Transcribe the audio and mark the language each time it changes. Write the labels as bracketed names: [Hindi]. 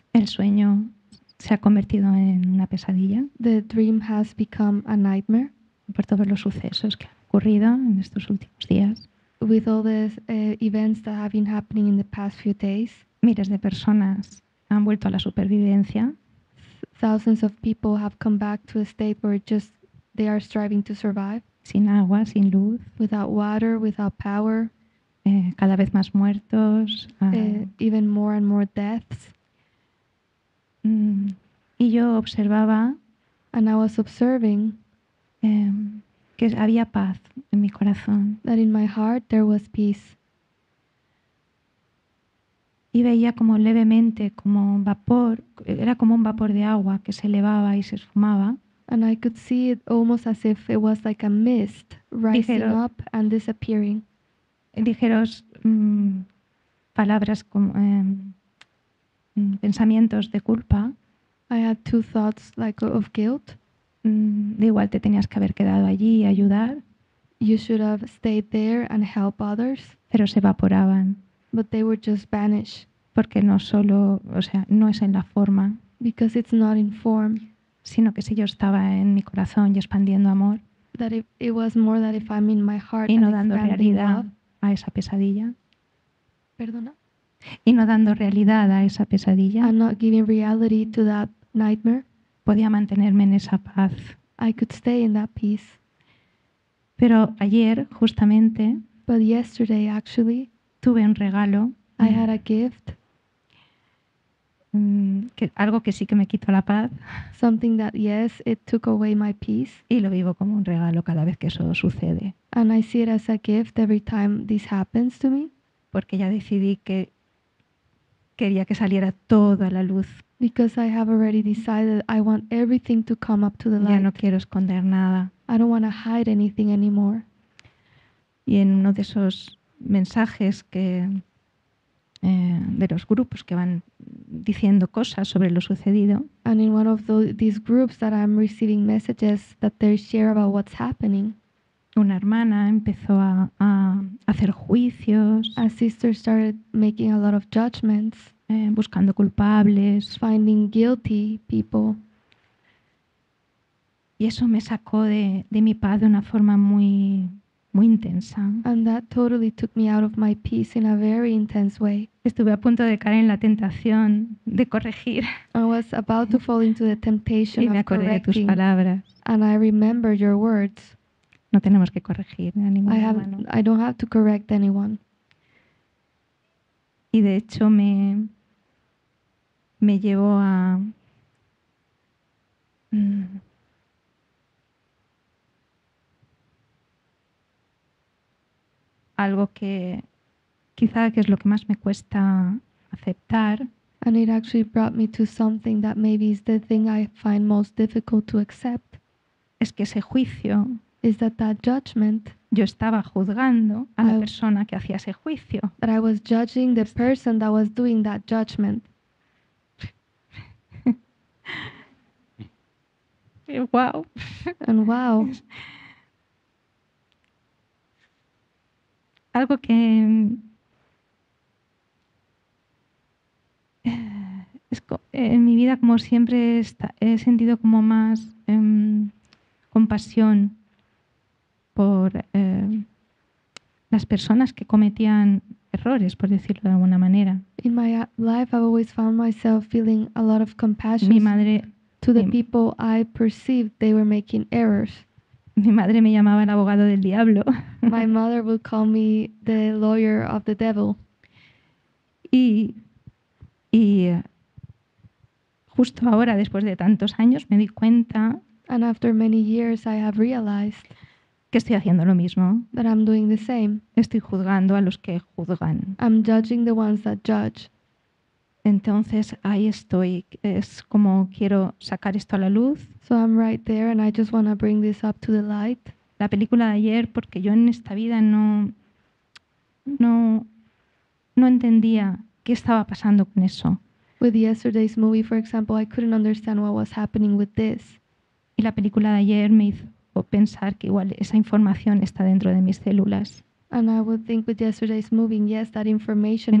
[Spanish] El sueño se ha convertido en una pesadilla. [English] The dream has become a nightmare. [Spanish] Por todos los sucesos que han ocurrido en estos últimos días. [English] With all the events that have been happening in the past few days. [Spanish] Miles de personas han vuelto a la supervivencia. [English] Thousands of people have come back to a state where just they are striving to survive. [Spanish] Sin agua, sin luz. [English] Without water, without power. [Spanish] Cada vez más muertos. [English] Even more and more deaths. [Spanish] Y yo observaba. [English] And I was observing. [Spanish] Que había paz en mi corazón. [English] That in my heart there was peace. [Spanish] Y veía como levemente, como un vapor, era como un vapor de agua que se elevaba y se esfumaba. [English] And I could see it almost as if it was like a mist rising up and disappearing. [Spanish] Dijeros palabras como pensamientos de culpa. [English] I had two thoughts like of guilt. [Spanish] De igual te tenías que haber quedado allí y ayudar. [English] You should have stayed there and help others. [Spanish] Pero se evaporaban. [English] But they would just vanish. [Spanish] Porque no solo, o sea, no es en la forma. [English] Because it's not in form. [Spanish] Sino que si yo estaba en mi corazón y expandiendo amor. [English] That it was more that if I'm in my heart. [Spanish] Y no dando realidad a esa pesadilla. Perdona. Y no dando realidad a esa pesadilla. [English] I'm not giving reality to that nightmare. [Spanish] Podía mantenerme en esa paz. [English] I could stay in that peace. [Spanish] Pero ayer, justamente. [English] But yesterday, actually. [Spanish] Tuve un regalo. [English] I had a gift. [Spanish] Algo que sí que me quitó la paz. [English] Something that, yes, it took away my peace. [Spanish] Y lo vivo como un regalo cada vez que eso sucede. [English] And I see it as a gift every time this happens to me. [Spanish] Porque ya decidí que quería que saliera todo a la luz. [English] Because I have already decided I want everything to come up to the light. [Spanish] Ya no quiero esconder nada. [English] I don't want to hide anything anymore. [Spanish] Y en uno de esos mensajes que de los grupos que van diciendo cosas sobre lo sucedido. [English] And in one of these groups that I'm receiving messages that they share about what's happening. [Spanish] Una hermana empezó a hacer juicios. [English] A sister started making a lot of judgments. [Spanish] Buscando culpables. [English] Finding guilty people. [Spanish] Y eso me sacó de mi paz de una forma muy, muy intensa. [English] And that totally took me out of my peace in a very intense way. [Spanish] Estuve a punto de caer en la tentación de corregir. [English] I was about to fall into the temptation of correcting. [Spanish] Y me acordé de tus palabras. [English] And I remember your words. [Spanish] No tenemos que corregir a ninguna [English] mano. I don't have to correct anyone. [Spanish] Y de hecho me llevó a algo que quizá que es lo que más me cuesta aceptar. [English] And it actually brought me to something that maybe is the thing I find most difficult to accept. [Spanish] Es que ese juicio. [English] Is that judgment. [Spanish] Yo estaba juzgando a la persona que hacía ese juicio. [English] That I was judging the person that was doing that judgment. Wow. And wow. [Spanish] Algo que en mi vida como siempre he sentido como más compasión por las personas que cometían errores, por decirlo de alguna manera. [English] In my life I've always found myself feeling a lot of compassion. [Spanish] Mi madre, [English] to the people I perceived they were making errors. [Spanish] Mi madre me llamaba el abogado del diablo. [English] My mother would call me the lawyer of the devil. [Spanish] Y justo ahora, después de tantos años, me di cuenta [English] and after many years, I have realized [Spanish] que estoy haciendo lo mismo. [English] That I'm doing the same. [Spanish] Estoy juzgando a los que juzgan. [English] I'm judging the ones that judge. [Spanish] Entonces, ahí estoy. Es como quiero sacar esto a la luz. [English] So I'm right there and I just want to bring this up to the light. [Spanish] La película de ayer, porque yo en esta vida no entendía qué estaba pasando con eso. [English] With yesterday's movie, for example, I couldn't understand what was happening with this. [Spanish] Y la película de ayer me hizo pensar que igual esa información está dentro de mis células. [English] And I would think with yesterday's movie, yes, that information